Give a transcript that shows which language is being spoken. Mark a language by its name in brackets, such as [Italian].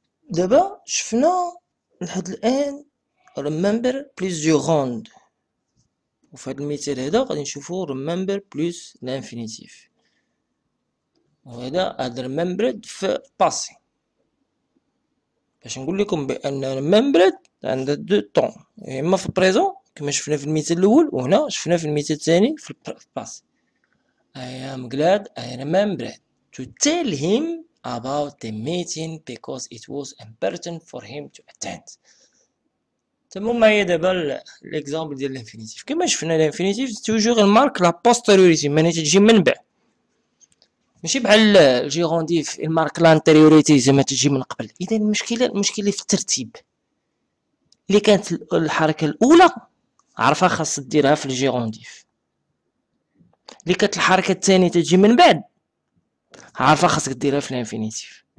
[Arabic] دابا شفنا لحد الان ريمبر بلس دو روند، وفي هذا المثال هذا غادي نشوفوا ريمبر بلس الانفينيتيف، وهذا هذا ريمبرد في باسي. باش نقول لكم بان ريمبرد عند دو طون، اما في بريزون كما شفنا في المثال الاول، وهنا شفنا في المثال الثاني في الباس. [English] I am glad I remembered to tell him about the meeting because it was important for him to attend. [Arabic] تمام معايا دابا ليكزامبل ديال الانفينيتيف. كما شفنا الانفينيتيف توجور المارك لا بوستيريوريتي، ماني تجي من بعد، ماشي بحال الجيرونديف المارك لانتيريوريتي زعما تجي من قبل. اذا المشكله في الترتيب، اللي كانت الحركه الاولى عرفها خاص ديرها في الجيرونديف، اللي كانت الحركه الثانيه تجي من بعد عرفها خاصك ديرها في الانفينيتيف.